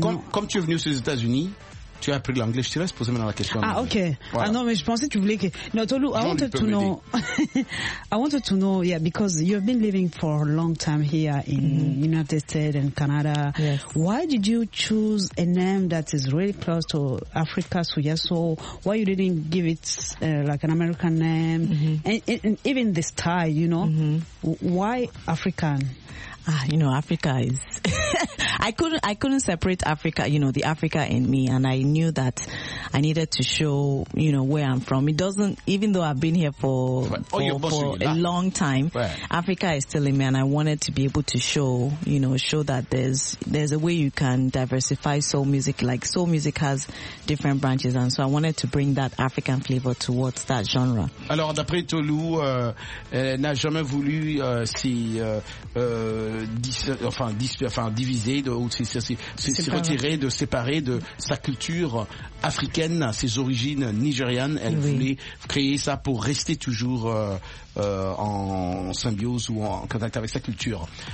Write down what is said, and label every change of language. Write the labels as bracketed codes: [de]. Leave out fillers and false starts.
[fr] Comme tu es venu aux États-Unis, tu as appris l'anglais, je te laisse poser maintenant la question. Ah, ok. Voilà. Ah non, mais je pensais que tu voulais que... [en] Non, Toulou, I wanted to know, yeah, because you've been living for a long time here in United States and Canada. Yes. Why did you choose a name that is really close to Africa, Suya Soul? Why you didn't give it like an American name? And even the style, you know? Why African? You know, Africa is... I couldn't separate Africa, you know, the Africa in me, and I knew that I needed to show, you know, where I'm from. It doesn't, even though I've been here for a long time, Africa is still in me, and I wanted to be able to show, you know, show that there's a way you can diversify soul music. Like, soul music has different branches, and so I wanted to bring that African flavor towards that genre. [fr] Alors, d'après Toulou, elle n'a jamais voulu diviser, retirer, de séparer de sa culture africaine, ses origines nigérianes. Elle voulait créer ça pour rester toujours en symbiose ou en contact avec sa culture.